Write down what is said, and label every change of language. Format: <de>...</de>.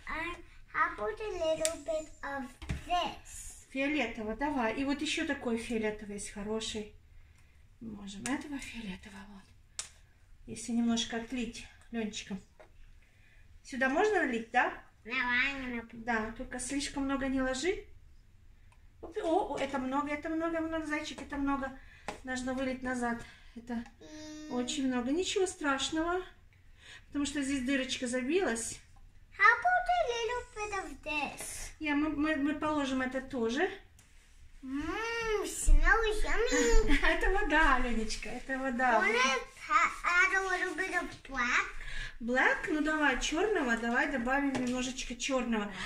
<en>How about a little bit of this?</en> <ru>Фиолетово, давай. И вот еще такой фиолетовый есть хороший. Мы можем этого фиолетового. Вот. Если немножко отлить Ленечком. Сюда можно налить, да? Давай, не напомню. Да, только слишком много не ложи. О, это много, зайчик, это много. Нужно вылить назад. Это очень много. Ничего страшного. Потому что здесь дырочка забилась.</ru> <en>How about a little bit of this? Yeah,</en> <ru>мы положим это тоже.</ru> <en>Smells yummy.</en> <ru>Это вода, Ленечка, это вода.</ru> <en>Wanna add a little bit of black?</en> <ru>Black? Ну давай, черного. Давай добавим немножечко черного.</ru>